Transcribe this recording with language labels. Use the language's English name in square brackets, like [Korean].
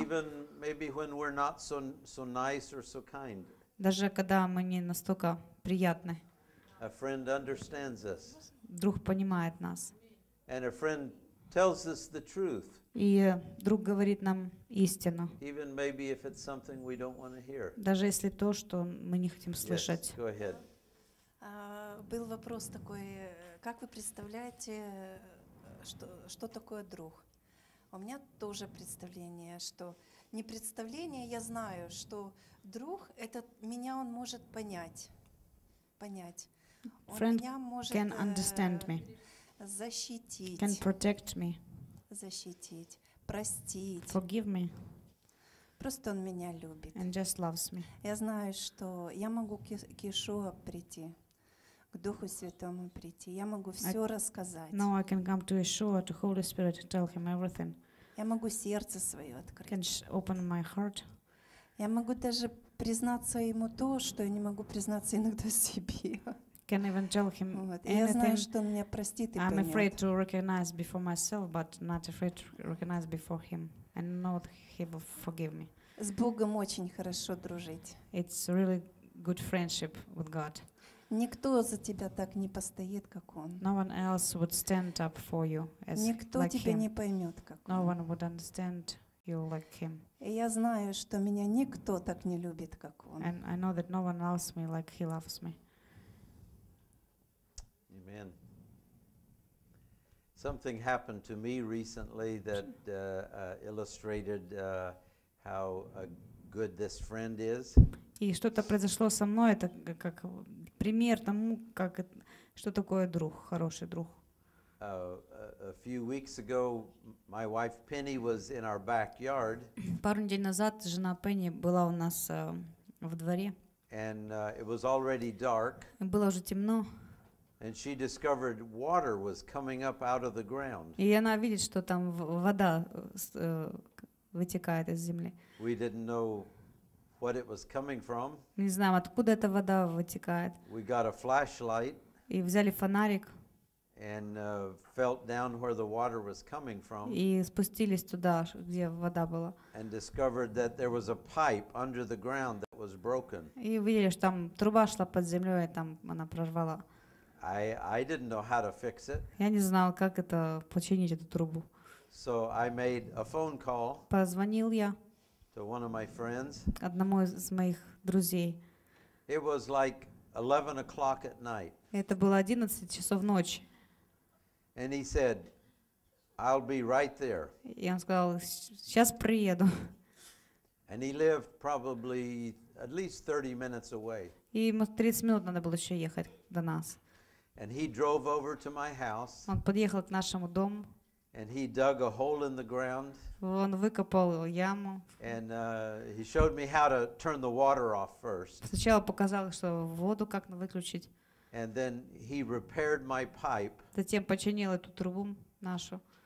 [English] Even maybe when we're not so nice or so kind. [Russian] Даже когда мы не настолько приятны. [English] A friend understands us. [Russian] Друг понимает нас. [English] And a friend tells us the truth. [Russian] И друг говорит нам истину. [English] Even maybe if it's something we don't want to hear. [Russian] Даже если то, что мы не хотим слышать. [English] Yes, go ahead. [Russian] Был вопрос такой, как вы представляете, что такое друг? У меня тоже представление, что не представление, я знаю, что друг, это меня он может понять. [English] Friend [Russian] он меня может [English] can understand me. [Russian] Защитить. [English] Can protect me. [Russian] Защитить, простить. [English] Forgive me. [Russian] Просто он меня любит. [English] And just loves me. [Russian] Я знаю, что я могу к Иешуа прийти, к Духу Святому прийти. Я могу все рассказать. [English] No, I can come to Yeshua, to Holy Spirit, to tell him everything. [Russian] Я могу сердце свое открыть. [English] Can open my heart. [Russian] Я могу даже признаться ему то, что я не могу признаться иногда себе. [English] Can even tell him anything. I'm afraid to recognize before myself, but not afraid to recognize before him, and know that he will forgive me. [Russian] С Богом очень хорошо дружить. [English] It's really good friendship with God. [Russian] Никто за тебя так не постоит, как он. [English] No one else would stand up for you as like him. [Russian] Никто тебя не поймет, как он. [English] No one would understand you like him. [Russian] Я знаю, что меня никто так не любит, как он. [English] And I know that no one loves me like he loves me. Amen. Something happened to me recently that illustrated how good this friend is. [Russian] И что-то произошло со мной, это как пример тому, как что такое друг, хороший друг. [English] A few weeks ago, my wife Penny was in our backyard. [Russian] Пару недель назад жена Пенни была у нас в дворе. [English] And it was already dark. [Russian] Было уже темно. [English] And she discovered water was coming up out of the ground. [Russian] И она видит, что там вода вытекает из земли. [English] We didn't know what it was coming from. [Russian] Не знаем, откуда эта вода вытекает. [English] We got a flashlight. [Russian] И взяли фонарик. [English] And felt down where the water was coming from. [Russian] И спустились туда, где вода была. [English] And discovered that there was a pipe under the ground that was broken. [Russian] И увидели, что там труба шла под землей, и там она прорвала. [English] I didn't know how to fix it. [Russian] Я не знал, как это починить эту трубу. [English] So I made a phone call. [Russian] Позвонил я. [English] To one of my friends. [Russian] Одному из моих друзей. [English] It was like 11 o'clock at night. [Russian] Это было 11 часов ночи. [English] And he said, "I'll be right there." [Russian] И он сказал, сейчас приеду. [English] And he lived probably at least 30 minutes away. [Russian] И ему 30 минут надо было еще ехать до нас. [English] And he drove over to my house. [Russian] Он подъехал к нашему дому. [English] And he dug a hole in the ground. [Russian] Он выкопал яму. [English] And he showed me how to turn the water off first. [Russian] Сначала показал, что воду как выключить. [English] And then he repaired my pipe. [Russian] Затем починил эту трубу нашу.